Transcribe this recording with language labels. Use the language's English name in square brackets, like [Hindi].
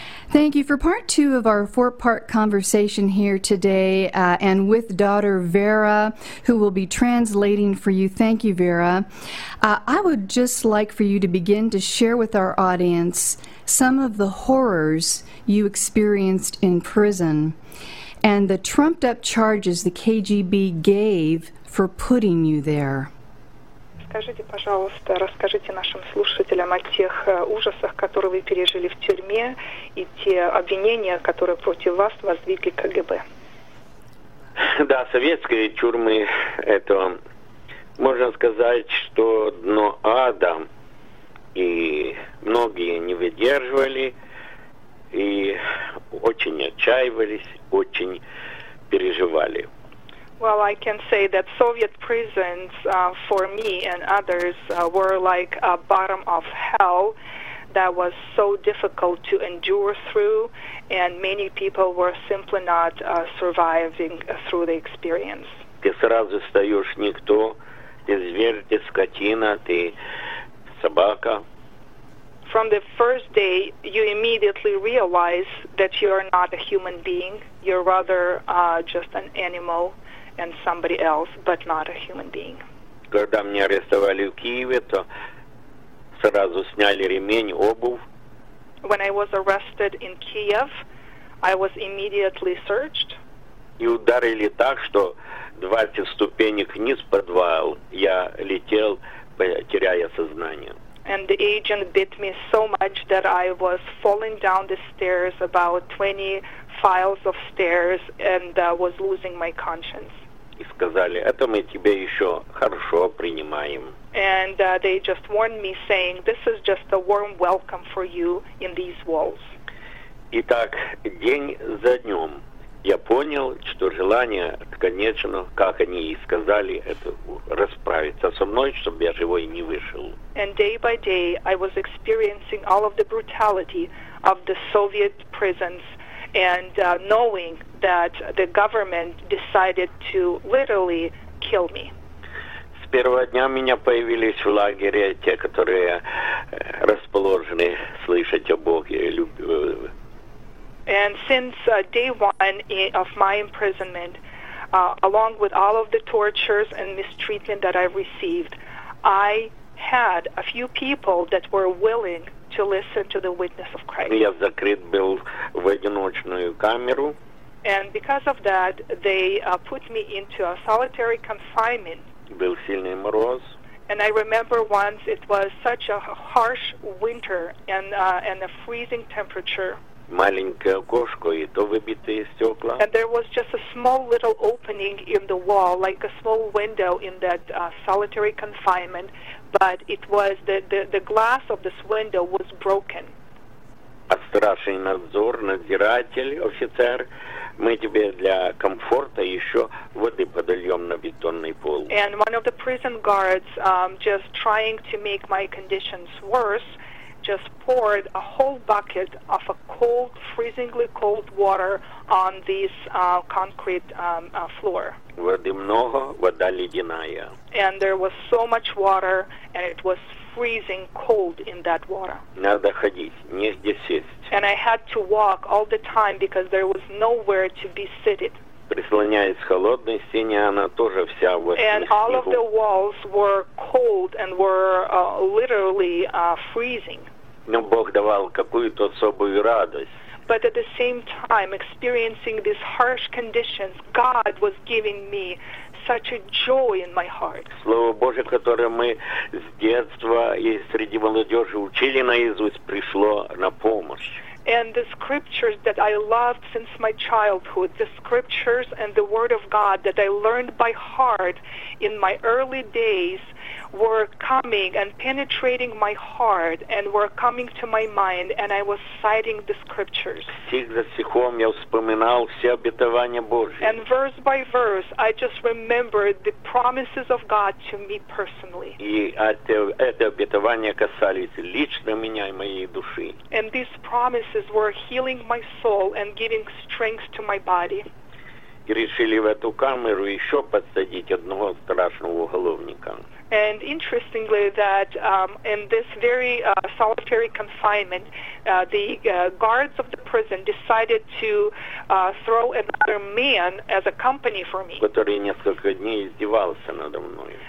[English] Thank you for part two of our four-part conversation here today, and with daughter Vera, who will be translating for you. Thank you, Vera. I would just like for you to begin to share with our audience some of the horrors you experienced in prison and the trumped-up charges the KGB gave for putting you there. [Russian] Скажите, пожалуйста, расскажите нашим слушателям о тех ужасах, которые вы пережили в тюрьме, и те обвинения, которые против вас воздвигли КГБ. Да, советские тюрьмы, это, можно сказать, что дно ада, и многие не выдерживали, и очень отчаивались, очень переживали. [English] Well, I can say that Soviet prisons, for me and others, were like a bottom of hell that was so difficult to endure through, and many people were simply not surviving through the experience. [Russian] Ты сразу встаешь никто, ты зверь, ты скотина, ты собака. [English] From the first day, you immediately realize that you are not a human being, you're rather just an animal. And somebody else, but not a human being. [Russian] Когда меня арестовали в Киеве, то сразу сняли ремень, обувь. [English] When I was arrested in Kiev, I was immediately searched. [Russian] И ударили так, что 20 ступенек вниз в подвал, я летел, теряя сознание. [English] And the agent bit me so much that I was falling down the stairs about 20 files of stairs and was losing my conscience. [Russian] И сказали, это мы тебе еще хорошо принимаем. [English] And they just warned me, saying, this is just a warm welcome for you in these walls. [Russian] Итак, день за днем я понял, что желание, конечно, как они и сказали, это расправиться со мной, чтобы я живой не вышел. [English] And day by day, I was experiencing all of the brutality of the Soviet prisons, and knowing that the government decided to literally kill me. [Russian] С первого дня меня появились в лагере те, которые расположены слышать о Боге. [English] And since day one of my imprisonment, along with all of the tortures and mistreatment that I received, I had a few people that were willing to listen to the witness of Christ. [Russian] Я закрыт был в одиночную камеру. [English] And because of that, they put me into a solitary confinement. [Russian] Был сильный мороз. [English] And I remember once it was such a harsh winter and a freezing temperature. [Russian] Маленькое окошко, и то выбитые стекла. [English] And there was just a small little opening in the wall, like a small window in that solitary confinement. But it was the glass of this window was broken. [Russian] А страшный надзор, надзиратель, офицер, мы тебе для комфорта еще воды подольем на бетонный пол. [English] And one of the prison guards, just trying to make my conditions worse, just poured a whole bucket of a cold, freezingly cold water on this concrete floor. [Russian] Воды много, вода ледяная. [English] And there was so much water, and it was freezing cold in that water. [Russian] Надо ходить, негде сесть. [English] And I had to walk all the time because there was nowhere to be seated. [Russian] Прислоняясь к холодной стене, она тоже вся в снегу. [English] And all of the walls were cold and were literally freezing. [Russian] Но Бог давал какую-то особую радость. [English] But at the same time, experiencing these harsh conditions, God was giving me such a joy in my heart. [Russian] Слово Божие, которое мы с детства и среди молодежи учили наизусть, пришло на помощь. [English] And the scriptures that I loved since my childhood, the scriptures and the Word of God that I learned by heart in my early days were coming and penetrating my heart and were coming to my mind, and I was citing the scriptures. [Russian] Стих за стихом я вспоминал все обетования Божьи. [English] And verse by verse, I just remembered the promises of God to me personally. [Russian] И это обетование касались лично меня и моей души. [English] And these promises were healing my soul and giving strength to my body. [Russian] И решили в эту камеру еще подсадить одного страшного уголовника. [English] And interestingly that in this very solitary confinement, the guards of the prison decided to throw another man as a company for me. [Russian] Который несколько дней издевался надо мной.